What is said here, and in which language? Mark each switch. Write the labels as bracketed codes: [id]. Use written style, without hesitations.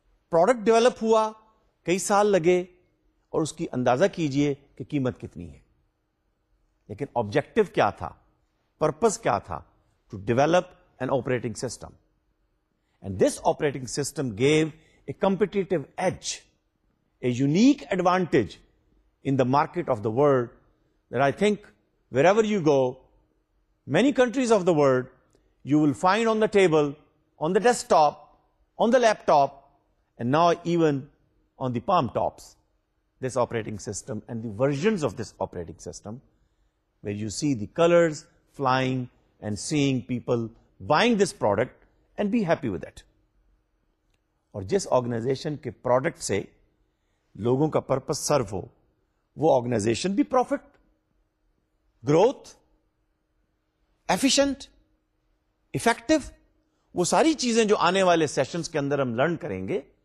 [ur] Product develop ہوا, کئی سال لگے, اور اس کی اندازہ کیجئے کہ قیمت کتنی ہے. لیکن آبجیکٹو کیا تھا, پرپز کیا تھا؟ [en] To develop an operating system, and this operating system gave a competitive edge, a unique advantage in the market of the world that I think wherever you go, many countries of the world, you will find on the table, on the desktop, on the laptop, and now even on the palm tops, this operating system and the versions of this operating system, where you see the colors flying and seeing people buying this product and be happy with that. [ur] اور جس organization کے product سے لوگوں کا purpose serve ہو وہ organization بھی profit growth efficient effective وہ ساری چیزیں جو آنے والے سیشنز کے اندر ہم لرن کریں گے